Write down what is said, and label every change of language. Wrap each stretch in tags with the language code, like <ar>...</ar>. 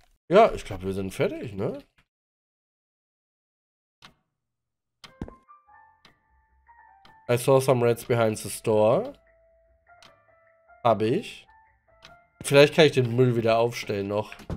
<de>Ja, ich glaube, wir sind fertig, ne?</de> <en>I saw some rats behind the store.</en> <de>Hab ich. Vielleicht kann ich den Müll wieder aufstellen noch.</de>